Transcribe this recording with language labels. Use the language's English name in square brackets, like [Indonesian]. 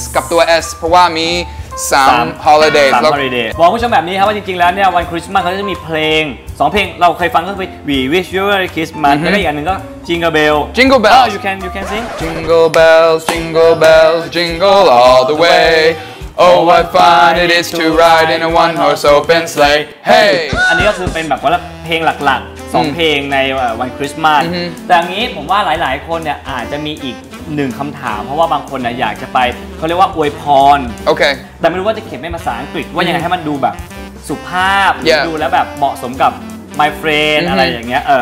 [Thai] กับตัว S เพราะว่ามีสามฮอลลีเดย์ บอกคุณผู้ชมแบบนี้ครับว่าจริงๆแล้วเนี่ยวันคริสต์มาสเขาจะมีเพลง2เพลงเราเคยฟังก็คือ We Wish You a Merry Christmas แล้วก็อีกอันนึงก็ Jingle Bell [English] you can sing Jingle Bells Jingle all the way Oh what fun it is to ride in a one horse open sleigh Hey [Thai] อันนี้ก็คือเป็นแบบว่าเพลงหลักๆ2เพลงในวันคริสต์มาสแต่งี้ผมว่าหลายๆคนเนี่ยอาจจะมีอีกหนึ่งคำถามเพราะว่าบางคนนะอยากจะไปเขาเรียกว่าอวยพร โอเค แต่ไม่รู้ว่าจะเขียนเป็นภาษาอังกฤษว่ายังไงให้มันดูแบบสุภาพ [English] yeah. [Thai] ดูแล้วแบบเหมาะสมกับ my friend อะไรอย่างเงี้ย